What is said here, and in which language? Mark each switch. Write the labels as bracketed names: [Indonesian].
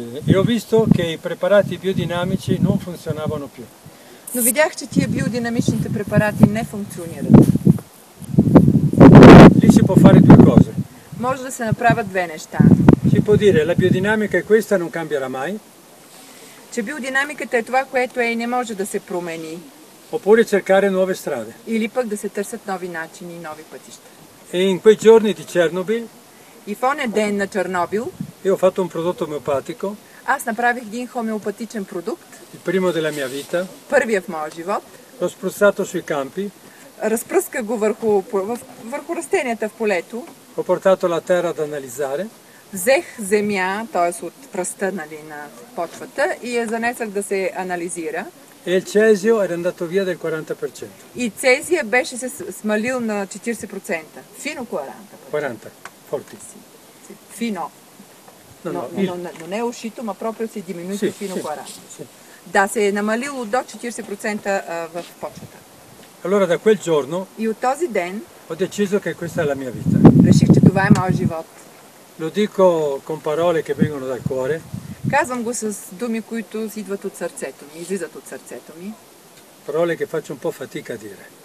[Italian] E ho visto che i preparati biodinamici non funzionavano più. [Bulgarian] Но видях, че тия биодинамичните препарати не функционират. [Italian] Lì si può fare due cose. [Bulgarian] Може да се направят две неща. [Italian] Si può dire la biodinamica è questa, non cambierà mai. [Bulgarian] Че биодинамиката е това, което е и не може да се промени. [Italian] Oppure cercare nuove strade. [Bulgarian] Или пък да се търсят нови начини и нови пътища. [Italian] E in quei giorni di Chernobyl. [Bulgarian] И в оня ден на Чернобил. [Italian] Io ho fatto un prodotto omeopatico. [Bulgarian] Аз направих един хомеопатичен продукт. [Italian] Il primo della mia vita. [Bulgarian] Първия в моя живот. [Italian] L'ho spruzzato sui campi. [Bulgarian] Разпръсках го върху растенията в полето. [Italian] Ho portato la terra ad analizzare. [Bulgarian] Взех земя, т.е. от пръста, нали, на почвата, и я занесах да се анализира. [Italian] E il cesio era andato via del 40%. [Bulgarian] И цезия беше се смалил на 40%. [Italian] Fino 40%. 40, forti. Sì. Fino. [Bulgarian] Но [Italian] не е ушито, ма проприо се диминуито фино кора. [Bulgarian] Да, се е намалило до 40% в почвата. [Italian] Allora, da quel giorno, [Bulgarian] и от този ден [Italian] ho deciso che questa è la mia vita. [Bulgarian] Реших, че това е моят живот. [Italian] Lo dico con parole che vengono dal cuore. [Bulgarian] Казвам го с думи, които идват от сърцето ми, излизат от сърцето ми. [Italian] Parole che faccio un po' fatica a dire.